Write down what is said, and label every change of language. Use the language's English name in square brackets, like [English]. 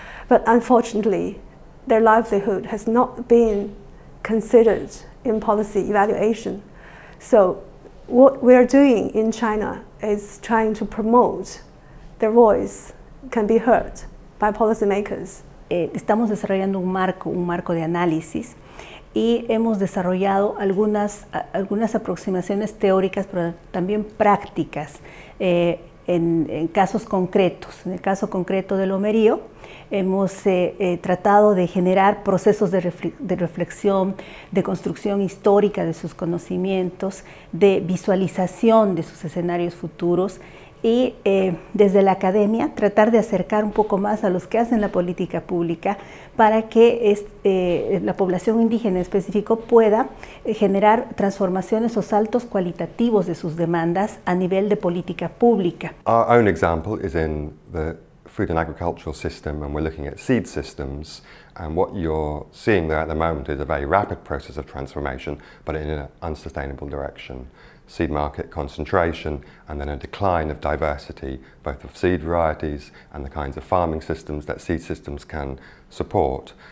[English] But unfortunately, their livelihood has not been considered in policy evaluation. So what we are doing in China is trying to promote their voice can be heard by policymakers. [Spanish] Estamos desarrollando un marco de análisis, y hemos desarrollado algunas aproximaciones teóricas, pero también prácticas. En casos concretos, en el caso concreto del Lomerío, hemos tratado de generar procesos de reflexión, de construcción histórica de sus conocimientos, de visualización de sus escenarios futuros, y desde la academia tratar de acercar un poco más a los que hacen la política pública para que la población indígena en específico pueda generar transformaciones o saltos cualitativos de sus demandas a nivel de política pública. [English] Our own example is in the food and agricultural system, and we're looking at seed systems, and what you're seeing there at the moment is a very rapid process of transformation, but in an unsustainable direction. Seed market concentration, and then a decline of diversity, both of seed varieties and the kinds of farming systems that seed systems can support.